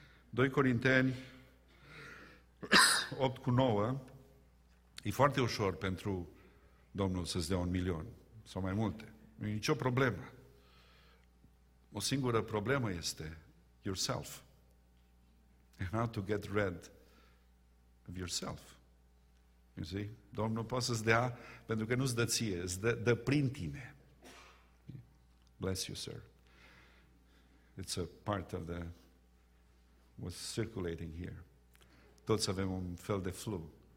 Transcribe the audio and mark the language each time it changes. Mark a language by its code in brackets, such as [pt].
[ro] 2 Corinteni 8:9, e foarte ușor pentru Domnul să-ți dea 1,000,000 sau mai multe. Nu e nicio problemă. O singură problemă este yourself. [en] And how to get rid of yourself. You see? [ro] Domnul poate să-ți dea pentru că nu-ți dă ție, îți dă prin tine. [en] Bless you, sir. It's a part of the was circulating here. [ro] Toți avem un fel de flu.